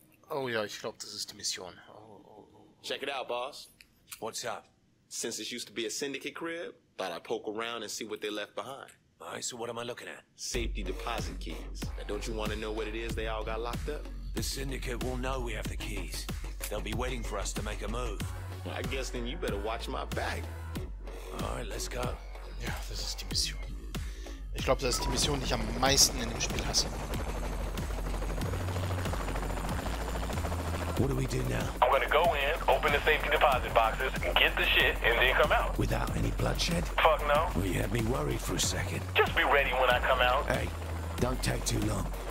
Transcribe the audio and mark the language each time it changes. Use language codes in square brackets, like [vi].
[de] Oh ja, ich glaube, das ist die Mission. [en] Check it out, boss. What's up? Since this used to be a syndicate crib, thought I'd poke around and see what they left behind. All right, so what am I looking at? Safety deposit keys. Now, don't you want to know what it is they all got locked up? The syndicate will know we have the keys. They'll be waiting for us to make a move. Well, I guess then you better watch my back. All right, let's go. Yeah, this is the mission. [de] Ich glaube, das ist die Mission, die ich am meisten in dem Spiel hasse. [en] What do we do now? I'm gonna go in, open the safety deposit boxes, get the shit, and then come out. Without any bloodshed? Fuck no. Well, you had me worried for a second. Just be ready when I come out. Hey, don't take too long.